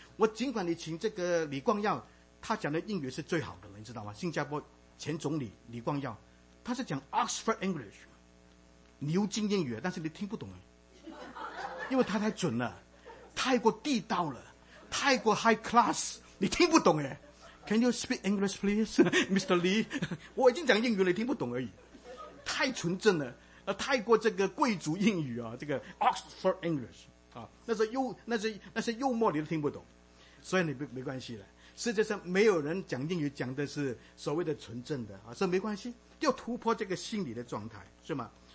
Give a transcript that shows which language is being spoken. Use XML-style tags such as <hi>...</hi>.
<zh>我尽管你请这个李光耀，他讲的英语是最好的了，你知道吗？新加坡前总理李光耀，他是讲</zh> <en>Oxford English，</en> <zh>牛津英语，但是你听不懂，因为他太准了，太过地道了，太过</zh> <en>high class，</en> <zh>你听不懂哎。</zh> <en>Can you speak English, please, Mr. Lee?</en> <zh>我已经讲英语了，听不懂而已。太纯正了，太过这个贵族英语啊，这个</zh> <en>Oxford English</en> <zh>啊，那是幽默，你都听不懂。所以你没关系了。世界上没有人讲英语讲的是所谓的纯正的啊，所以没关系，要突破这个心理的状态，是吗？</zh>